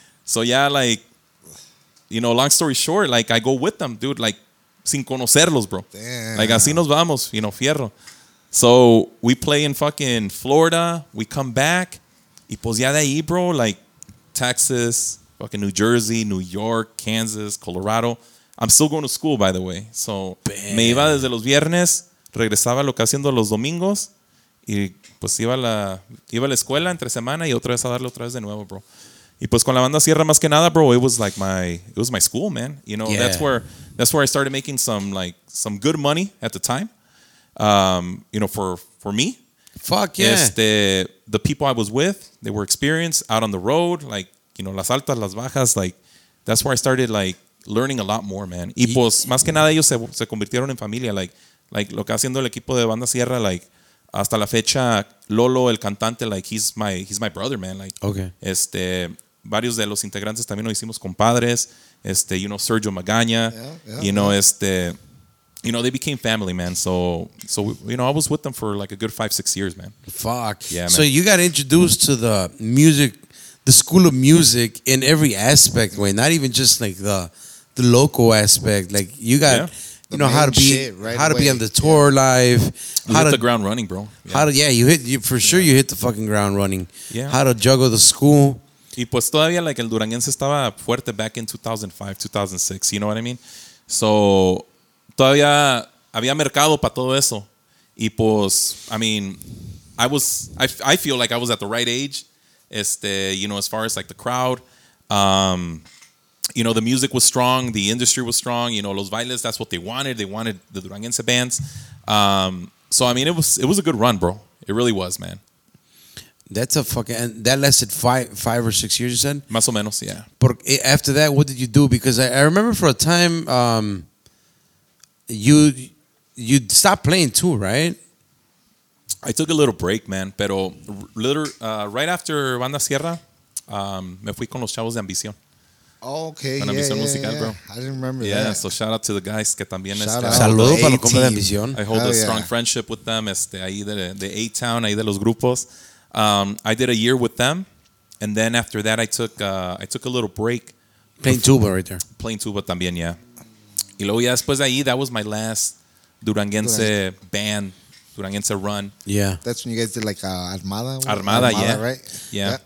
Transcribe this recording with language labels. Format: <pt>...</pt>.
<en>So, yeah, like, you know, long story short, like, I go with them, dude, like,</en> <es>sin conocerlos,</es> <en>bro. Damn. Like,</en> <es>así nos vamos,</es> <en>you know, fierro. So we play in fucking Florida. We come back.</en> <es>Y pues ya de ahí, bro, like Texas, fucking New Jersey, New York, Kansas, Colorado.</es> <en>I'm still going to school, by the way. So Bam.</en> <es>Me iba desde los viernes, regresaba lo que haciendo los domingos y pues iba a la escuela entre semana y otra vez a darle otra vez de nuevo, bro. Y pues con la banda Sierra más que nada, bro,</es> <en>it was my school, man. You know, that's where I started making some good money at the time. You know, for me. Fuck yeah. The people I was with, they were experienced out on the road, like, you know,</en> <es>las altas, las bajas,</es> <en>like, that's where I started, like, learning a lot more, man.</en> <es>Y pues, más que nada, ellos se convirtieron en familia, like, lo que haciendo el equipo de Banda Sierra, like, hasta la fecha, Lolo, el cantante, like,</es> <en>he's my brother, man,</en> <es>like,</es> <en>okay.</en> <es>Varios de los integrantes también nos hicimos compadres, you know, Sergio Magaña, you know, man.</es> <en>You know, they became family, man. So you know, I was with them for like a good 5-6 years, man. Fuck. Yeah, man. So you got introduced to the music, the school of music in every aspect, way. Not even just like the local aspect. Like you got, you know, how to be on the tour live. Hit the ground running, bro. You hit the fucking ground running. Yeah. How to juggle the school.</en> <es>Y pues todavía like el Duranguense estaba fuerte</es> <en>back in 2005, 2006. You know what I mean? So...</en> <es>Todavía había mercado para todo eso.</es> <en>Y pues, I mean, I feel like I was at the right age, you know, as far as like the crowd. You know, the music was strong. The industry was strong. You know,</en> <es>los bailes,</es> <en>that's what they wanted. They wanted the Duranguense bands. So, I mean, it was a good run, bro. It really was, man. That's a fucking... And that lasted five or 6 years, you said?</en> <es>Más o menos, yeah.</es> <en>After that, what did you do? Because I remember for a time... You stopped playing too, right? I took a little break, man.</en> <es>Pero</es> <en>right after Banda Sierra,</en> <es>me fui con los chavos de Ambición.</es> <en>Oh, okay. Con Ambición Musical, bro. I didn't remember that. Yeah, so shout out to the guys</en> <es>que también están. Saludos para los compas de Ambición.</es> <en>I hold strong friendship with them.</en> <es>Ahí de A-Town, ahí de los grupos.</es> <en>I did a year with them. And then after that, I took a little break. Playing tuba right there. Playing tuba también, yeah.</en> <es>Y luego ya después de ahí,</es> <en>that was my last Duranguense band. Duranguense run. Yeah. That's when you guys did like Armada. Armada, yeah. Right? Yeah.</en>